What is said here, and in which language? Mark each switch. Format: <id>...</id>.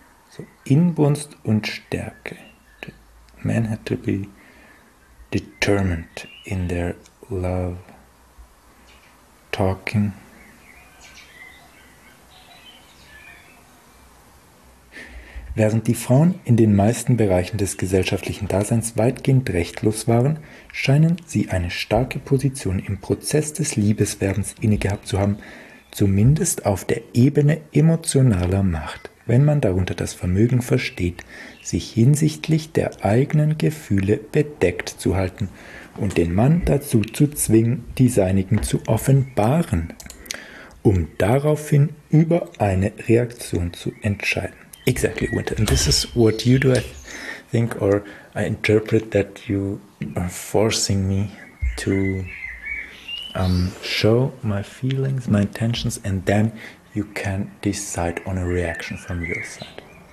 <en>So</en> <de>Inbrunst und Stärke.</de> <en>Man had to be determined in their love talking.</en> <de>Während die Frauen in den meisten Bereichen des gesellschaftlichen Daseins weitgehend rechtlos waren, scheinen sie eine starke Position im Prozess des Liebeswerdens innegehabt zu haben, zumindest auf der Ebene emotionaler Macht, wenn man darunter das Vermögen versteht, sich hinsichtlich der eigenen Gefühle bedeckt zu halten und den Mann dazu zu zwingen, die seinigen zu offenbaren, um daraufhin über eine Reaktion zu entscheiden.</de> <en>Exactly, Winter. And this is what you do, I think, or I interpret that you are forcing me to show my feelings, my intentions, and then you can decide on a reaction from your side.</en>